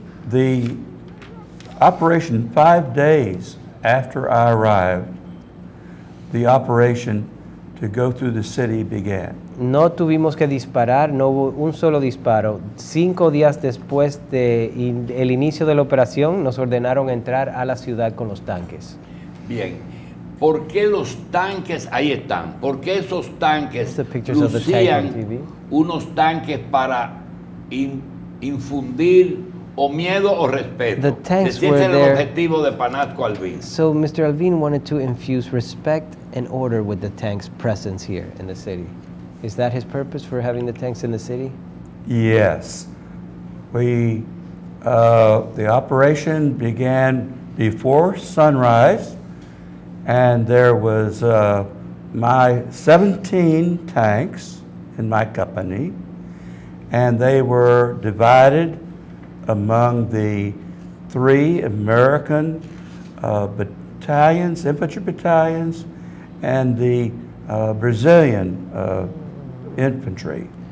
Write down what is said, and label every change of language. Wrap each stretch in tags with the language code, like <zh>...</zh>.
<en>The operation, 5 days after I arrived, the operation to go through the city began.</en> <es>No tuvimos que disparar, no hubo un solo disparo. 5 días después de el inicio de la operación, nos ordenaron entrar a la ciudad con los tanques. Bien, ¿por qué los tanques ahí están? ¿Por qué esos tanques lucían unos tanques para infundir o miedo o respeto?</es> <en>The tanks were</en> <es>el objetivo de Panasco Alvin.</es> <en>So Mr. Alvin wanted to infuse respect and order with the tanks' presence here in the city. Is that his purpose for having the tanks in the city? Yes. The operation began before sunrise, and there was my 17 tanks in my company, and they were divided among the three American battalions, infantry battalions, and the Brazilian infantry.</en>